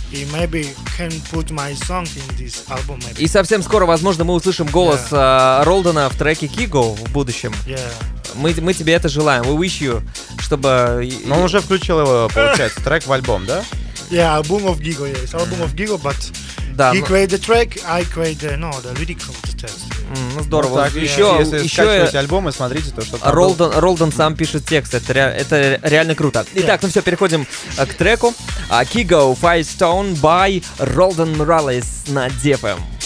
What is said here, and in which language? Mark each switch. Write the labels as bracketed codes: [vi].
[en] He maybe can put my song in this album. Maybe. [ru] И совсем скоро, возможно, мы услышим голос Ролдена в треке Kigo в будущем. [en] Yeah. [ru] Мы тебе это желаем. [en] We wish you, [ru] чтобы. Но он уже включил его, получается, трек в альбом, да? [en] Yeah, album of Giga. Yeah, it's album of Giga, but. [ru] Да, [en] he created the track, I created the lyrical text. [ru] Ну здорово. Так, еще скачивайте альбом и смотрите то, что Ролден был. Ролден сам пишет текст, это реально круто. Итак, ну все, переходим к треку. Kigo Firestone by Ролден Моралес на ДФМ.